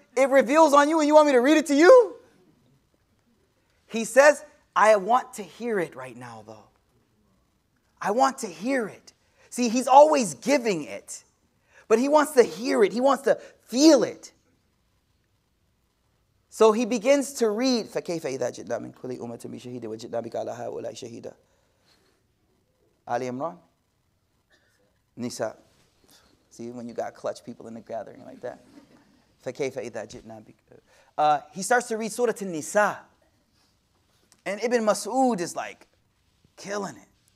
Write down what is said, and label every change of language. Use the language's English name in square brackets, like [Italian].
[English] It reveals on you and you want me to read it to you? He says, I want to hear it right now though. I want to hear it. See, he's always giving it, but he wants to hear it. He wants to feel it. So he begins to read, [Arabic] فَكَيْفَ إِذَا جِدْنَا مِنْ كُلِّ أُمَّةٍ بِشَهِيدٍ وَجِدْنَا بِكَ عَلَى هَؤُلَاءِ شَهِيدًا. [English] Ali Imran? Nisa. See, when you got clutch people in the gathering like that. [Arabic] فَكَيْفَ إِذَا جِدْنَا بِكَ. [English] He starts to read Surah An-Nisa. And Ibn Mas'ud is like killing it.